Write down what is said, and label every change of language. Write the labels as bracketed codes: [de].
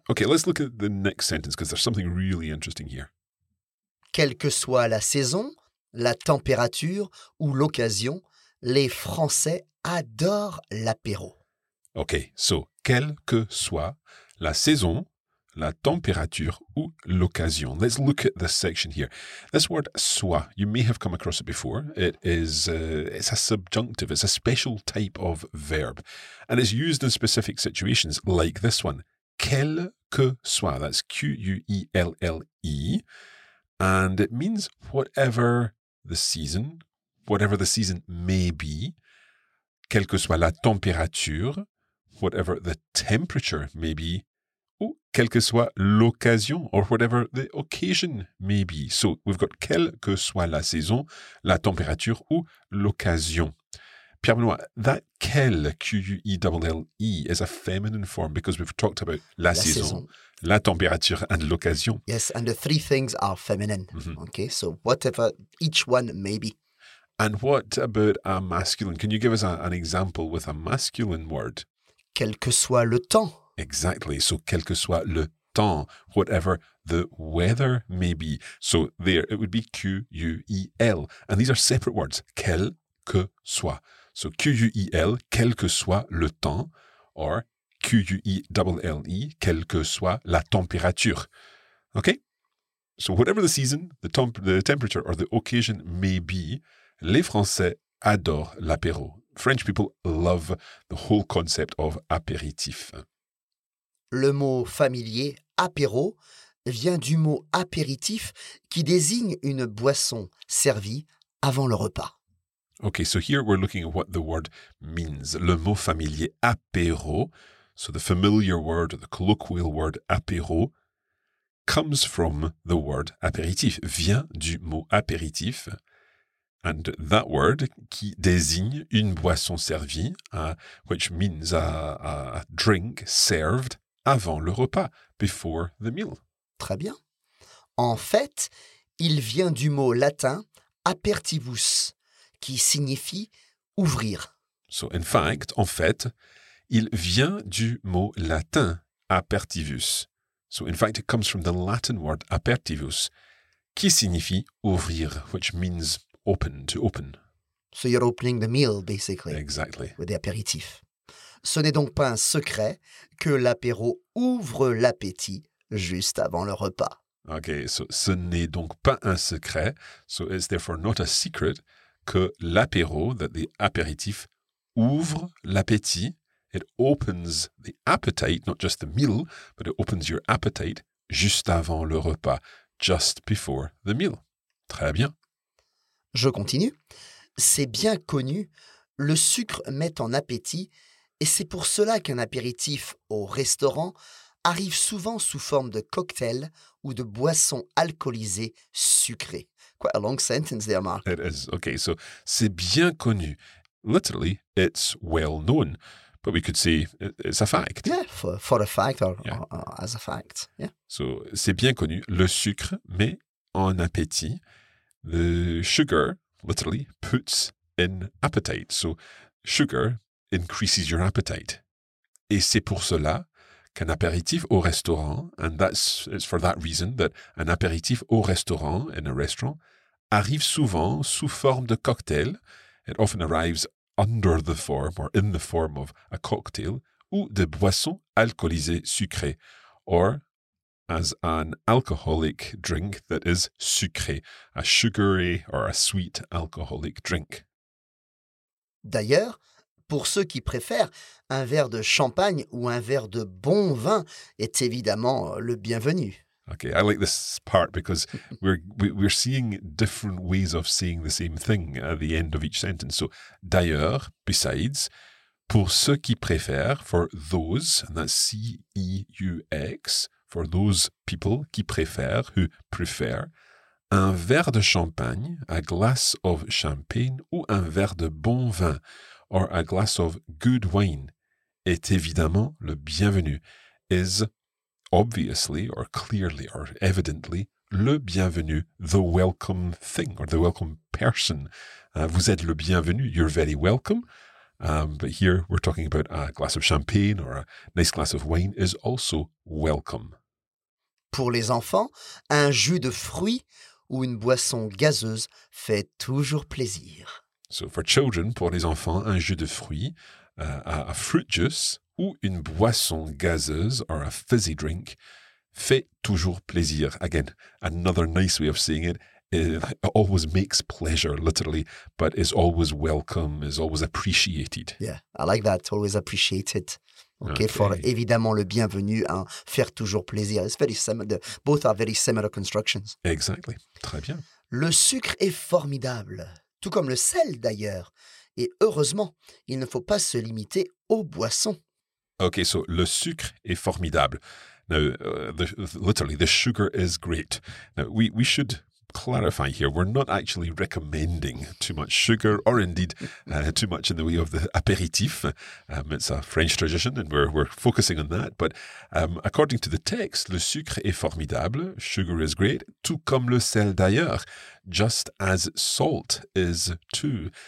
[en] Okay, let's look at the next sentence because there's something really interesting here. [fr] Quelle que soit la saison, la température ou l'occasion, les Français adorent l'apéro. OK, so, quelle que soit la saison, la température ou l'occasion. [en] Let's look at this section here. This word, soit, you may have come across it before. It is it's a subjunctive, it's a special type of verb. And it's used in specific situations like this one. [fr] Quelle que soit, [en] that's Q-U-E-L-L-E. And it means whatever the season, whatever the season may be, [fr] quelle que soit la température, [en] whatever the temperature may be, [fr] ou quelle que soit l'occasion, [en] or whatever the occasion may be. So we've got [fr] quelle que soit la saison, la température, ou l'occasion. [en] Pierre Benoît, that quelle, Q-U-E-L-L-E, is a feminine form because we've talked about la saison. [fr] La température and l'occasion. [en] Yes, and the three things are feminine. Mm-hmm. Okay, so whatever each one may be. And what about a masculine? Can you give us an example with a masculine word? [fr] Quel que soit le temps. [en] Exactly, so [fr] quel que soit le temps, [en] whatever the weather may be. So there, it would be Q-U-E-L. And these are separate words, [fr] quel que soit. [en] So Q-U-E-L, [fr] quel que soit le temps, [en] or Q-U-E-L-L-E, [fr] quelle que soit la température. [en] Okay? So whatever the season, the temperature or the occasion may be, [fr] les Français adorent l'apéro. [en] French people love the whole concept of apéritif. [fr] Le mot familier, apéro, vient du mot apéritif qui désigne une boisson servie avant le repas. [en] Okay, so here we're looking at what the word means. [fr] Le mot familier, apéro, [en] so the familiar word, the colloquial word apéro, comes from the word apéritif, [fr] vient du mot apéritif. [en] And that word [fr] qui désigne une boisson servie, [en] which means a drink served [fr] avant le repas, [en] before the meal. [fr] Très bien. En fait, il vient du mot latin apertivus, qui signifie ouvrir. [en] So in fact, [fr] en fait, il vient du mot latin apertivus. [en] So in fact, it comes from the Latin word apertivus, [fr] qui signifie ouvrir, [en] which means open, to open. So you're opening the meal, basically. Exactly. With the apéritif. [fr] Ce n'est donc pas un secret que l'apéro ouvre l'appétit juste avant le repas. [en] Okay, so [fr] ce n'est donc pas un secret. [en] So it's therefore not a secret [fr] que l'apéro, [en] that the apéritif, [fr] ouvre l'appétit. [en] It opens the appetite, not just the meal, but it opens your appetite [fr] juste avant le repas, [en] just before the meal. [fr] Très bien. Je continue. C'est bien connu, le sucre met en appétit et c'est pour cela qu'un apéritif au restaurant arrive souvent sous forme de cocktail ou de boisson alcoolisée sucrée, [en] quite a long sentence there, Mark. It is. Okay, so c'est bien connu. Literally, it's well known. But we could say it's a fact. Yeah, for a fact or as a fact. Yeah. [fr] So c'est bien connu. Le sucre met en appétit. [en] The sugar, literally, puts in appetite. So sugar increases your appetite. [fr] Et c'est pour cela qu'un apéritif au restaurant, [en] and it's for that reason that an [fr] apéritif au restaurant, [en] in a restaurant, [fr] arrive souvent sous forme de cocktail. [en] It often arrives under the form or in the form of a cocktail [fr] ou de boissons alcoolisées sucrées [en] or as an alcoholic drink that is sucré, a sugary or a sweet alcoholic drink. [fr] D'ailleurs, pour ceux qui préfèrent, un verre de champagne ou un verre de bon vin est évidemment le bienvenu. [en] Okay, I like this part because we're seeing different ways of saying the same thing at the end of each sentence. So, d'ailleurs, besides, [fr] pour ceux qui préfèrent, [en] for those, and that's C-E-U-X, for those people qui préfèrent, who prefer, [fr] un verre de champagne, [en] a glass of champagne, [fr] ou un verre de bon vin, [en] or a glass of good wine, [fr] est évidemment le bienvenu, [en] is obviously, or clearly, or evidently, le bienvenu, the welcome thing, or the welcome person. [fr] Vous êtes le bienvenu, [en] you're very welcome. But here we're talking about a glass of champagne or a nice glass of wine is also welcome. [fr] Pour les enfants, un jus de fruits ou une boisson gazeuse fait toujours plaisir. [en] So for children, [fr] pour les enfants, un jus de fruits, [en] a fruit juice, [fr] ou une boisson gazeuse, [en] or a fizzy drink, [fr] fait toujours plaisir. [en] Again, another nice way of saying it, it always makes pleasure, literally, but is always welcome, is always appreciated. Yeah, I like that, always appreciated. Okay, for [fr] évidemment le bienvenu, hein, faire toujours plaisir. [en] It's very similar, both are very similar constructions. Exactly, [fr] très bien. Le sucre est formidable, tout comme le sel d'ailleurs. Et heureusement, il ne faut pas se limiter aux boissons. [en] Okay, so [fr] le sucre est formidable. [en] Now, literally, the sugar is great. Now, we should clarify here, we're not actually recommending too much sugar or indeed too much in the way of the apéritif. It's a French tradition and we're focusing on that. But according to the text, [fr] le sucre est formidable, [en] sugar is great, [fr] tout comme le sel d'ailleurs, [en] just as salt is too.